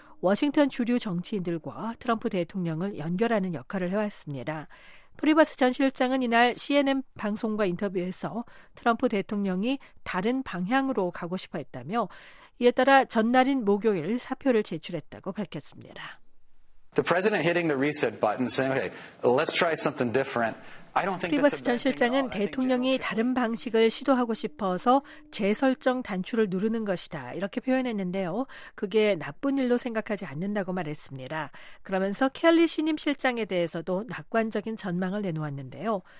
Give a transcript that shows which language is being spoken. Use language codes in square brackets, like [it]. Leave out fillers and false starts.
[ko] 워싱턴 주류 정치인들과 트럼프 대통령을 연결하는 역할을 해왔습니다. 프리버스 전 실장은 이날 CNN 방송과 인터뷰에서 트럼프 대통령이 다른 방향으로 가고 싶어 했다며 이에 따라 전날인 목요일 사표를 제출했다고 밝혔습니다. [en] The president hitting the reset button saying, "Okay, let's try something different." [ko] 프리버스 전 실장은 대통령이 다른 방식을 시도하고 싶어서 재설정 단추를 누르는 것이다 이렇게 표현했는데요. 그게 나쁜 일로 생각하지 않는다고 말했습니다. 그러면서 켈리 신임 실장에 대해서도 낙관적인 전망을 내놓았는데요.